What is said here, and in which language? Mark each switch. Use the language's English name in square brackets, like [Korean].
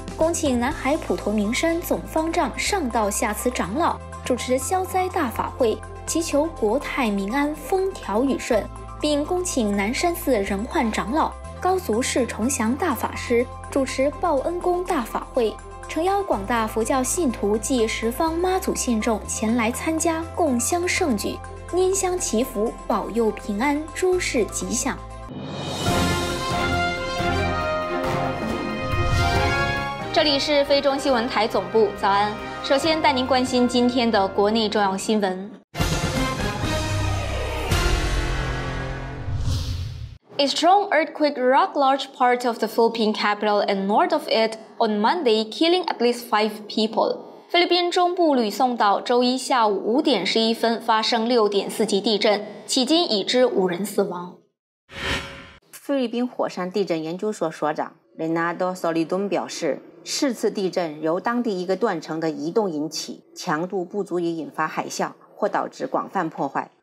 [Chinese] 恭请南海普陀明山总方丈上道下慈长老主持消灾大法会，祈求国泰民安、风调雨顺，并恭请南山寺仁焕长老、高足士崇祥大法师主持报恩公大法会，诚邀广大佛教信徒及十方妈祖信众前来参加共襄盛举，拈香祈福，保佑平安，诸事吉祥。里是菲中新闻台总部，早安。首先带您关心今天的国内重要新闻。 [English] A strong earthquake rocked large parts of the Philippine capital and north of it on Monday, killing at least 5 people. [Chinese] 菲律宾中部吕宋岛周一下午5点11分发生 6.4 级地震，迄今已知5人死亡。菲律宾火山地震研究所所长雷纳多·索利敦表示，是次地震由当地一个断层的移动引起，强度不足以引发海啸或导致广泛破坏。